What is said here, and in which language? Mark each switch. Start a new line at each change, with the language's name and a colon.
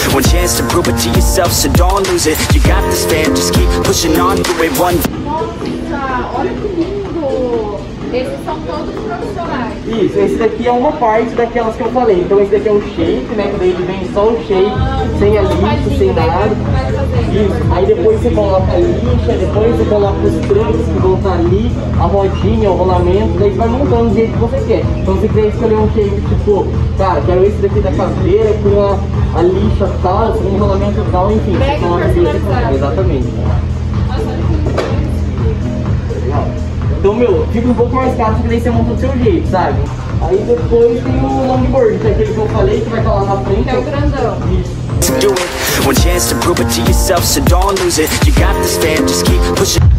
English: One chance to prove it to yourself, so don't lose it. You got this fam, just keep pushing on through it. One.
Portuguese: Nossa, olha que lindo! Esses são todos profissionais. Isso, esse daqui é uma parte daquelas que eu falei. Então esse daqui é um shape, né? Que daí ele vem só o shape, sem a lixa, sem nada. Isso, aí depois você coloca a lixa, depois você coloca os trancos que vão estar ali, a rodinha, o rolamento, daí você vai montando do jeito que você quer. Então se você quiser escolher um shape, tipo, cara, quero esse daqui da caveira, com a lixa tal, com o rolamento tal, enfim. Você coloca ali, você coloca. Exatamente. Então, meu, fica um pouco mais caro, só que daí você monta do seu jeito, sabe? Aí depois tem o longboard, que é aquele que eu falei, que vai estar lá na frente. É o grandão.
English: Do it. One chance to prove it to yourself, so don't lose it. You got this fam, just keep pushing.